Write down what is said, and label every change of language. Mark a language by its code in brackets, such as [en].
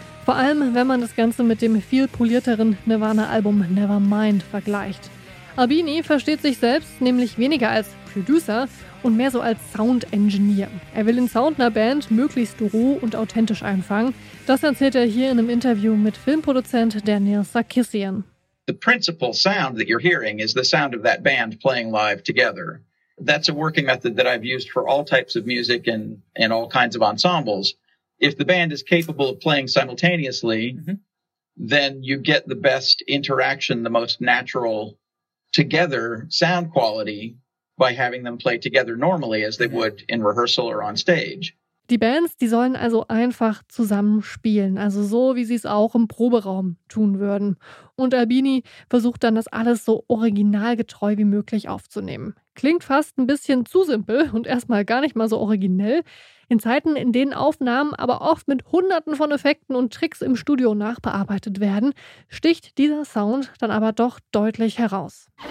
[de] Vor allem, wenn man das Ganze mit dem viel polierteren Nirvana-Album Nevermind vergleicht. Albini versteht sich selbst nämlich weniger als Producer und mehr so als Sound-Engineer. Er will den Sound einer Band möglichst roh und authentisch einfangen. Das erzählt er hier in einem Interview mit Filmproduzent Daniel Sarkissian. [en] The principal sound that you're hearing is the sound of that band playing live together. That's a working method that I've used for all types of music and all kinds of ensembles. If the band is capable of playing simultaneously, then you get the best interaction, the most natural together sound quality by having them play together normally as they would in rehearsal or on stage. [de] Die Bands, die sollen also einfach zusammen spielen, also so, wie sie es auch im Proberaum tun würden. Und Albini versucht dann, das alles so originalgetreu wie möglich aufzunehmen. Klingt fast ein bisschen zu simpel und erstmal gar nicht mal so originell. In Zeiten, in denen Aufnahmen aber oft mit Hunderten von Effekten und Tricks im Studio nachbearbeitet werden, sticht dieser Sound dann aber doch deutlich heraus.